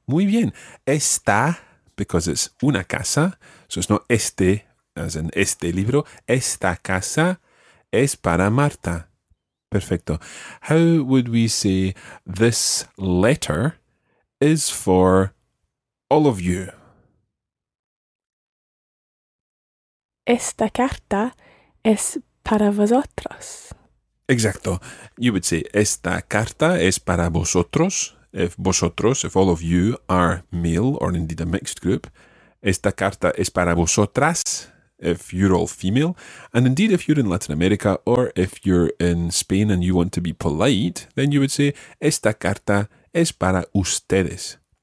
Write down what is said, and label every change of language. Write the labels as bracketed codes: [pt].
[es] Muy bien. [en] Esta, because it's [es] una casa, [en] so it's not este, as in [es] este libro. Esta casa es para Marta. Perfecto. [en] How would we say this letter is for all of you? [es] Esta carta es para vosotros. Exacto. [en] You would say, [es] esta carta es para vosotros. [en] If vosotros, if all of you are male or indeed a mixed group. [es] Esta carta es para vosotras, [en] if you're all female. And indeed, if you're in Latin America or if you're in Spain and you want to be polite, then you would say, [es] esta carta es para ustedes.